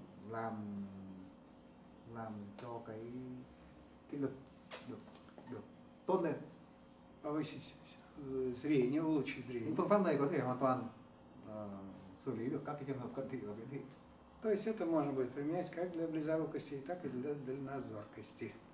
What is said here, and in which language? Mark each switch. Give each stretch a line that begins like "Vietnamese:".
Vietnamese: Làm cho cái thị lực được tốt lên.
Russian: Повысить зрение, улучшить зрение.
Vietnamese: Phương pháp này có thể hoàn toàn xử lý được các cái trường hợp cận thị và viễn thị.
Russian: То есть это можно будет применять как для близорукости, так и для дальнозоркости.